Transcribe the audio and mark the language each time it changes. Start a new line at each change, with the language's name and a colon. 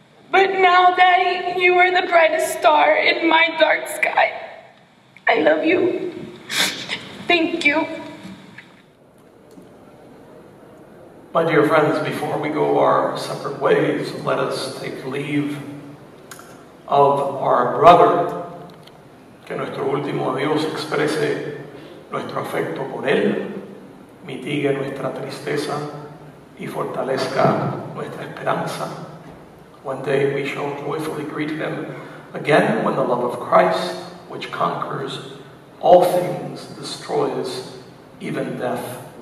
English: But now, Daddy, you are the brightest star in my dark sky. I love you. Thank you. My dear friends, before we go our separate ways, let us take leave of our brother.
Spanish: Que nuestro último adiós exprese nuestro afecto por él, mitigue nuestra tristeza y fortalezca nuestra esperanza.
English: One day we shall joyfully greet him again when the love of Christ, which conquers all things, destroys even death.